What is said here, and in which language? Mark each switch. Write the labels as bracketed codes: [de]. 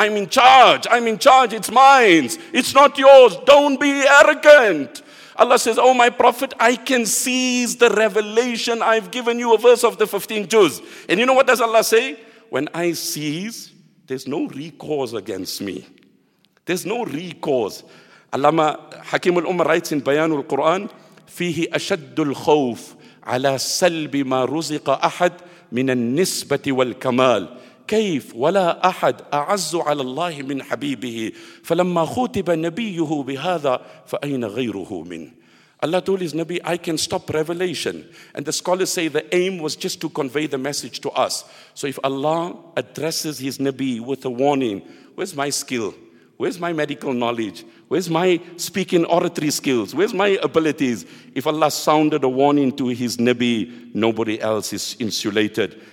[en] I'm in charge, it's mine. It's not yours, don't be arrogant. Allah says, oh my Prophet, I can seize the revelation I've given you, a verse of the 15 Juz. And you know what does Allah say? When I seize, there's no recourse against me. There's no recourse. Allama Hakim al-Umma writes in Bayan al-Quran, [ar] فِيهِ أَشَدُّ الْخَوْفِ عَلَىٰ سَلْبِ مَا رُزِقَ أَحَدٍ مِنَ النِّسْبَةِ وَالْكَمَالِ كيف ولا أحد أعز على الله من حبيبه فلما خُطب نبيه بهذا فأين غيره من. [en] Allah told his Nabi, I can stop revelation. And the scholars say the aim was just to convey the message to us. So if Allah addresses his Nabi with a warning, where's my skill? Where's my medical knowledge? Where's my speaking oratory skills? Where's my abilities? If Allah sounded a warning to his Nabi, nobody else is insulated.